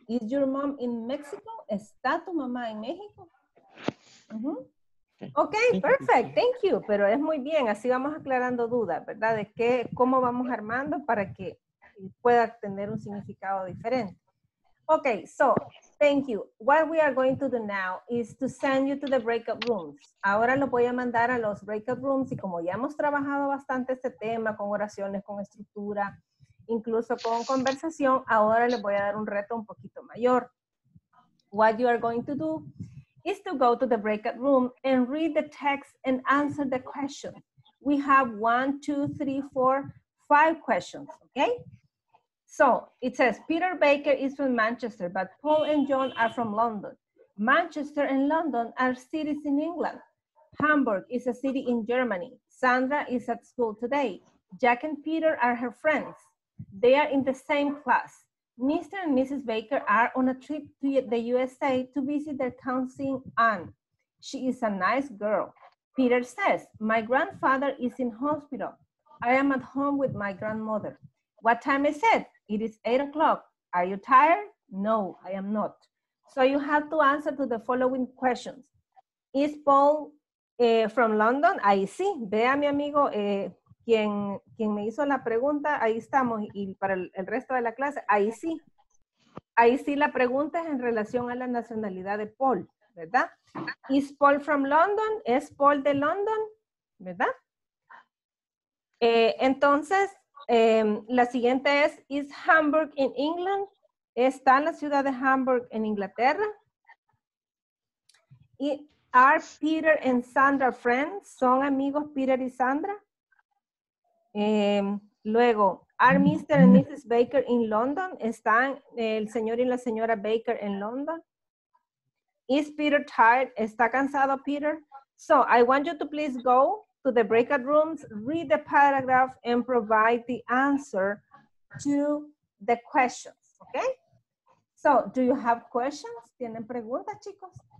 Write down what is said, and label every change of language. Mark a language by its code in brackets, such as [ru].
[en] Is your mom in Mexico? [es] ¿Está tu mamá en México? [en] Ok, perfect, thank you. [es] Pero es muy bien, así vamos aclarando dudas, ¿verdad? De qué, cómo vamos armando para que pueda tener un significado diferente. [en] Ok, so, thank you. What we are going to do now is to send you to the breakout rooms. [es] Ahora lo voy a mandar a los breakout rooms y como ya hemos trabajado bastante este tema con oraciones, con estructura, incluso con conversación, ahora les voy a dar un reto un poquito mayor. [en] What you are going to do is to go to the breakout room and read the text and answer the question. We have 5 questions, okay? So it says, Peter Baker is from Manchester, but Paul and John are from London. Manchester and London are cities in England. Hamburg is a city in Germany. Sandra is at school today. Jack and Peter are her friends. They are in the same class. Mr. and Mrs. Baker are on a trip to the USA to visit their cousin Anne. She is a nice girl. Peter says, my grandfather is in hospital. I am at home with my grandmother. What time is it? It is 8 o'clock. Are you tired? No, I am not. So you have to answer to the following questions. Is Paul from London? [es] Ahí sí. Vea, mi amigo, quien me hizo la pregunta, ahí estamos. Y para el resto de la clase, ahí sí. Ahí sí la pregunta es en relación a la nacionalidad de Paul, ¿verdad? [en] Is Paul from London? [es] ¿Es Paul de London? ¿Verdad? Entonces, la siguiente es, [en] ¿Is Hamburg in England? [es] ¿Está la ciudad de Hamburg en Inglaterra? ¿Y [en] are Peter and Sandra friends? [es] ¿Son amigos Peter y Sandra? [en] Luego, ¿Are Mr. and Mrs. Baker in London? [es] ¿Están el señor y la señora Baker en London? [en] ¿Is Peter tired? [es] ¿Está cansado Peter? [en] So, I want you to please go to the breakout rooms, read the paragraph, and provide the answer to the questions, okay? So, do you have questions? [es] ¿Tienen preguntas, chicos?